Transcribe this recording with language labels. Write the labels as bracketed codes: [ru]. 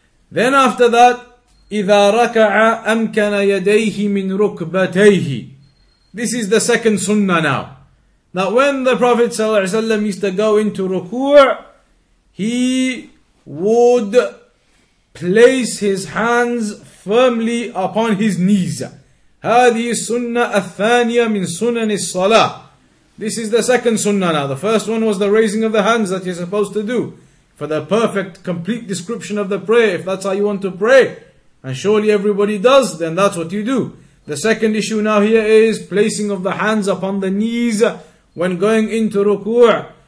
[en] Then after that, [ar] إِذَا رَكَعَ أَمْكَنَ يَدَيْهِ مِنْ رُكْبَتَيْهِ. [en] This is the second sunnah now. That when the Prophet ﷺ used to go into ruku', he would place his hands firmly upon his knees. [ar] هذه السنة الثانية من سنن الصلاة. [en] This is the second sunnah now. The first one was the raising of the hands that you're supposed to do for the perfect, complete description of the prayer. If that's how you want to pray, and surely everybody does, then that's what you do. The second issue now here is placing of the hands upon the knees when going into ruku'.